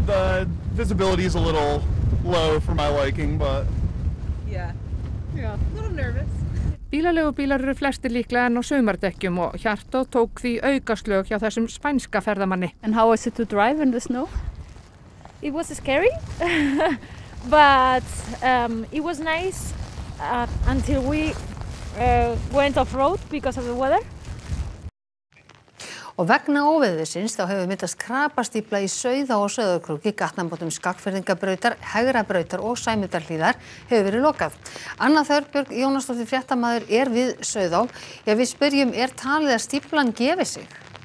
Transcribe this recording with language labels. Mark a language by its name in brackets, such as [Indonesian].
[English] The visibility is a little low for my liking, but... Yeah, a little nervous. [Icelandic] Bílaleigubílar eru flestir líklega enn á sumardekkjum og Hjartó tók því aukaslög hjá þessum spænska ferðamanni. [English] And how was it to drive in the snow? It was scary, but it was nice until we went off-road because of the weather. [Icelandic] Og vegna óveðursins þá hefur myndast krapastífla í Sauða og Sauðárkróki, gatnamótum Skagfirðingabrautar, Hegrabrautar og Sæmundarhlíðar hefur verið lokað. Anna Þorbjörg Jónasdóttir fréttamaður er við Sauðá. Já, við spyrjum, er talið að stíflan gefi sig?